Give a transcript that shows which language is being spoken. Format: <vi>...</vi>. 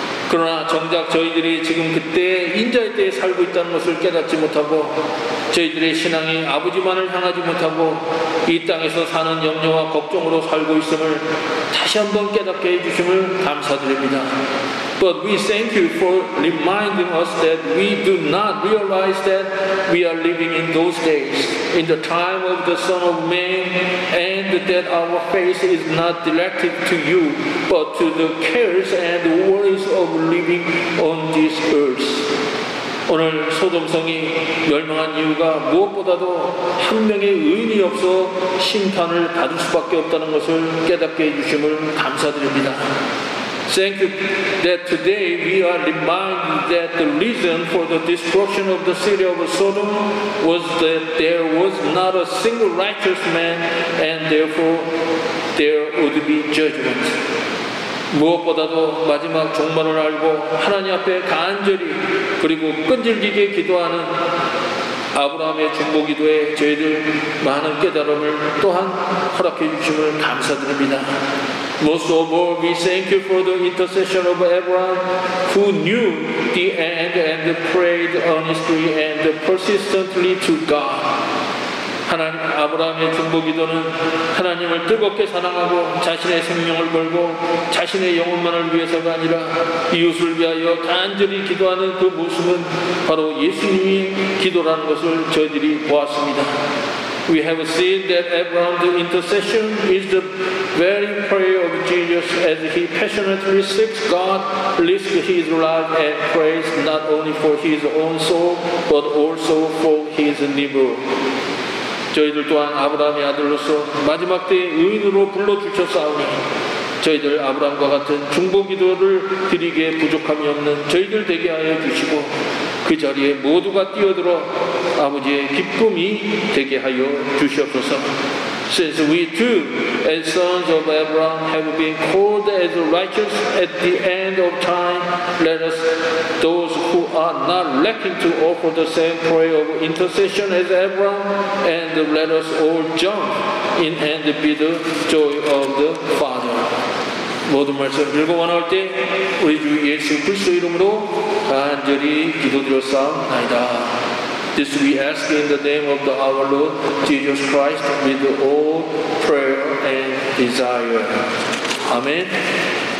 <ko>그러나 정작 저희들이 지금 그때 인자의 때에 살고 있다는 것을 깨닫지 못하고 저희들의 신앙이 아버지만을 향하지 못하고 이 땅에서 사는 염려와 걱정으로 살고 있음을 다시 한번 깨닫게 해주심을 감사드립니다.</ko> <en>But we thank you for reminding us that we do not realize that we are living in those days, in the time of the Son of Man, and that our faith is not directed to you, but to the cares and worries of living on this earth.</en> <ko>오늘 소돔성이 멸망한 이유가 무엇보다도 한 명의 의인이 없어 심판을 받을 수밖에 없다는 것을 깨닫게 해주심을 감사드립니다.</ko> <en>Thank you that today we are reminded that the reason for the destruction of the city of Sodom was that there was not a single righteous man and therefore there would be judgment.</en> <ko>무엇보다도 마지막 종말을 알고 하나님 앞에 간절히 그리고 끈질기게 기도하는 아브라함의 중보 기도에 저희들 많은 깨달음을 또한 허락해 주심을 감사드립니다.</ko> <en>Most of all, we thank you for the intercession of Abraham, who knew the end and prayed honestly and persistently to God.</en> <ko>하나님 아브라함의 중보 기도는 하나님을 뜨겁게 사랑하고 자신의 생명을 걸고 자신의 영혼만을 위해서가 아니라 이웃을 위하여 간절히 기도하는 그 모습은 바로 예수님의 기도라는 것을 저희들이 보았습니다.</ko> <en>We have seen that Abraham's intercession is the very prayer of Jesus as he passionately seeks God, risks his life and prays not only for his own soul but also for his neighbor.</en> <ko>저희들 또한 아브라함의 아들로서 마지막 때 의인으로 불러주셨사오니 저희들 아브라함과 같은 중보기도를 드리기에 부족함이 없는 저희들 되게 하여 주시고 그 자리에 모두가 뛰어들어 아버지의 기쁨이 되게 하여 주시옵소서.</ko> <en>Since we too, as sons of Abraham, have been called as righteous at the end of time, let us, those who are not lacking to offer the same prayer of intercession as Abraham, and let us all jump in and be the joy of the Father.</en> <ko>모든 말씀을 읽고 원할 때 우리 주 예수 그리스도 이름으로 간절히 기도드렸사옵나이다.</ko> <en>This we ask in the name of the our Lord Jesus Christ with all prayer and desire. Amen.</en>